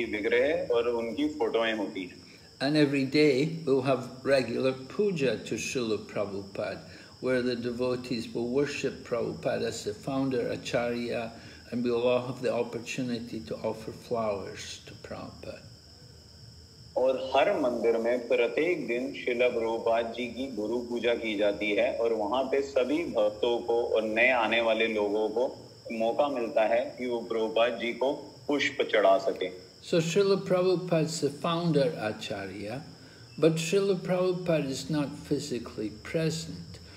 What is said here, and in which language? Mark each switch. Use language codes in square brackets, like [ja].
[en] and every day we'll have regular puja to Srila Prabhupada, where the devotees will worship Prabhupada as the founder acharya, and we'll all have the opportunity to offer flowers to Prabhupada. [hi] और हर मंदिर में प्रत्येक दिन श्रीला प्रभुपाद जी की गुरु पूजा की जाती है और वहाँ पे सभी भक्तों को और नए आने वाले लोगों को मौका मिलता है कि वो प्रभुपाद जी को पुष्प चढ़ा सके. [en] So Srila Prabhupada is the founder acharya, but Srila Prabhupada is not physically present.